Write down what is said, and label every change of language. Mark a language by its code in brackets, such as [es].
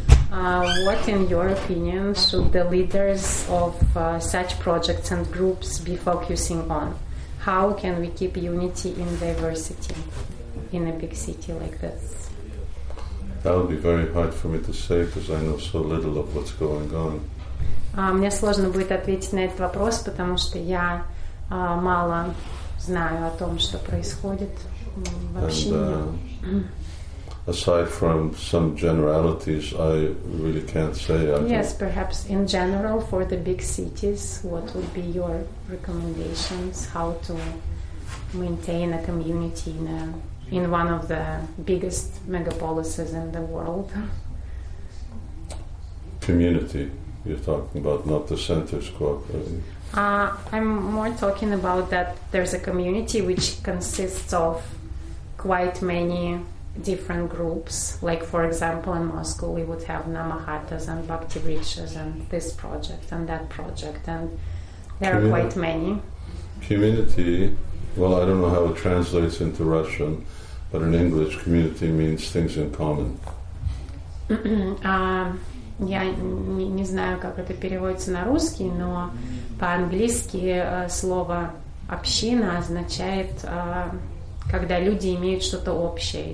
[en] What, in your opinion, should the leaders of such projects and groups be focusing on? How can we keep unity in diversity in a big city like this? That would be very hard for me to say, because I know so little of what's going on. [ru] Мне сложно будет ответить на этот вопрос, потому что я мало знаю о том, что происходит в общине. [en] Aside from some generalities, I really can't say. Yes, perhaps in general for the big cities, what would be your recommendations? How to maintain a community in one of the biggest megapolises in the world? Community, you're talking about, not the centers cooperating. I'm more talking about that there's a community which consists of quite many different groups, like for example in Moscow we would have Namahatas and Bhakti Rishas and this project and that project, and there are quite many. Community, well, I don't know how it translates into Russian, but in English community means things in common. [ru] Я не знаю, как это переводится на русский, но по-английски слово община означает когда люди имеют что-то общее.